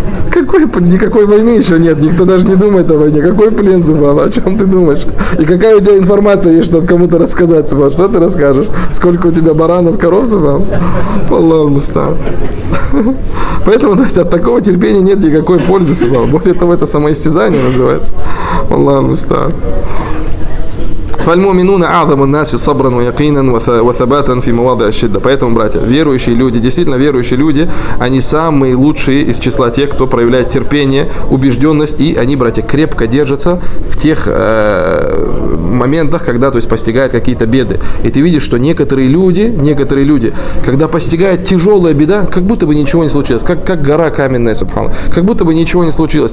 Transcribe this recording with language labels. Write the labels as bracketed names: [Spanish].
[Russian] Какой, никакой войны еще нет, никто даже не думает о войне. Какой плен, Зубава, о чем ты думаешь? И какая у тебя информация есть, чтобы кому-то рассказать, Зубава? Что ты расскажешь? Сколько у тебя баранов, коров, Зубава? Аллаху мустаан. Поэтому, то есть, от такого терпения нет никакой пользы, Зубава. Более того, это самоистязание называется. Аллаху мустаан. [Arabic] فالمؤمنون أعظم الناس صبرا ويقينا وثباتا في مواضع الشدة. [Russian] Поэтому, братья, верующие люди, действительно верующие люди, они самые лучшие из числа тех, кто проявляет терпение, убежденность, и они, братья, крепко держатся в тех моментах, когда, то есть, постигают какие-то беды. И ты видишь, что некоторые люди, когда постигает тяжелая беда, как будто бы ничего не случилось, как гора каменная, субхана, как будто бы ничего не случилось.